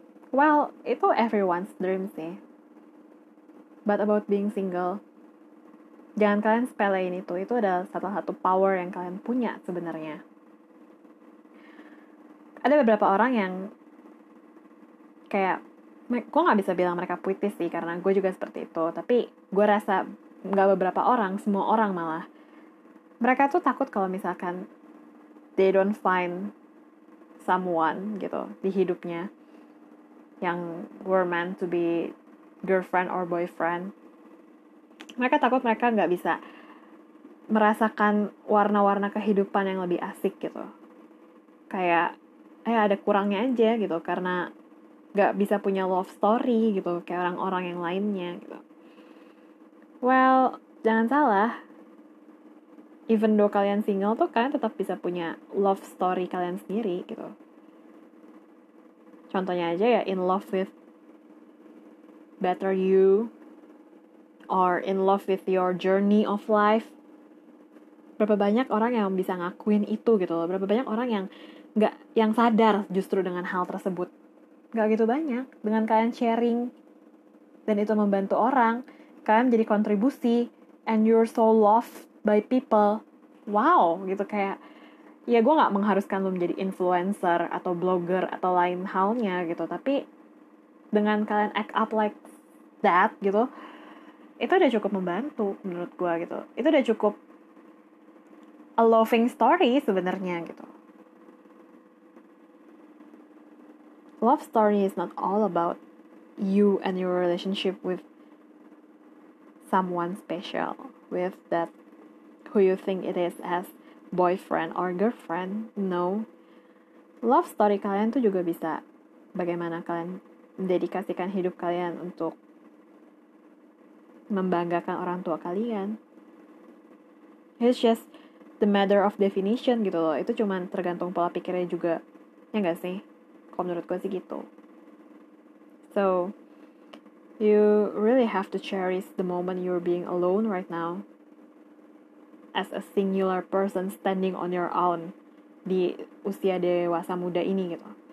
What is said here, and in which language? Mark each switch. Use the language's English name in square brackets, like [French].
[English] Well, [Indonesian] itu [English] everyone's dream [Indonesian] sih. [English] But about being single, [Indonesian] jangan kalian sepelein itu. Itu adalah satu-satu power yang kalian punya sebenarnya. Ada beberapa orang yang kayak, gue gak bisa bilang mereka puitis sih, karena gue juga seperti itu. Tapi gue rasa gak beberapa orang, semua orang malah. Mereka tuh takut kalau misalkan [English] they don't find someone [Indonesian] gitu di hidupnya yang [English] were meant to be girlfriend or boyfriend. [Indonesian] Mereka takut mereka gak bisa merasakan warna-warna kehidupan yang lebih asik gitu. Kayak, ada kurangnya aja gitu, karena gak bisa punya love story gitu, kayak orang-orang yang lainnya gitu. Well, jangan salah. [English] Even though [Indonesian] kalian single tuh, kalian tetap bisa punya love story kalian sendiri gitu. Contohnya aja ya, [English] in love with better you, or in love with your journey of life. [Indonesian] Berapa banyak orang yang bisa ngakuin itu gitu loh. Berapa banyak orang yang gak, yang sadar justru dengan hal tersebut. Gak gitu banyak. Dengan kalian sharing dan itu membantu orang, kalian jadi kontribusi [English] and you're so loved by people. [Indonesian] Wow, gitu kayak, ya gue gak mengharuskan lo menjadi influencer atau blogger atau lain halnya gitu. Tapi dengan kalian [English] act up like that [Indonesian] gitu, itu udah cukup membantu menurut gue gitu. Itu udah cukup [English] a loving story [Indonesian] sebenarnya gitu. [English] Love story is not all about you and your relationship with someone special, with that who you think it is as boyfriend or girlfriend. [Indonesian] No, love story kalian tuh juga bisa bagaimana kalian mendedikasikan hidup kalian untuk membanggakan orang tua kalian. [English] It's just the matter of definition [Indonesian] gitu loh. Itu cuman tergantung pola pikirnya juga, ya gak sih? Kalau menurut gue sih gitu. [English] So you really have to cherish the moment you're being alone right now as a singular person standing on your own [Indonesian] di usia dewasa muda ini gitu.